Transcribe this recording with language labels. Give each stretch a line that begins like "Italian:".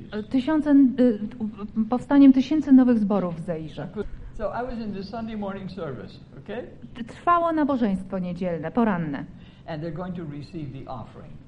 Polish: Tysiące, powstaniem tysięcy nowych zborów w Zairze.
English: So I was in the Sunday morning service, okay?
Polish: Trwało nabożeństwo niedzielne, poranne.
English: And they're going to receive the offering.